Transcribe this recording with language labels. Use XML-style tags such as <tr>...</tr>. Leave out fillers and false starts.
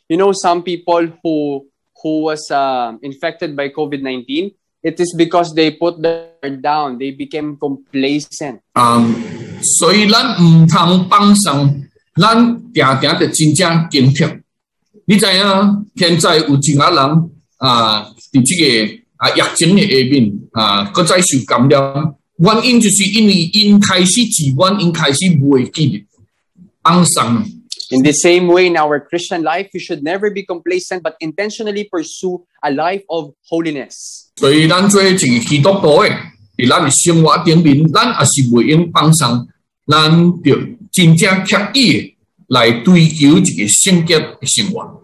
<en>You know, some people who was infected by COVID-19, it is because they put their guard down. They became complacent. So we don't want to help them. We want to be really careful. You know, there are a lot of people in this world.</en> <nan>疫情的下面，搁再受感染，原因就是因为因开始自愿，因开始袂记得安生。</nan> <en>In the same way, in our Christian life, we should never be complacent, but intentionally pursue a life of holiness.</en> <nan>所以，咱做一个基督徒的，在咱的生活顶面，咱也是袂用放松，咱着真正刻意来追求一个圣洁的生活。</nan>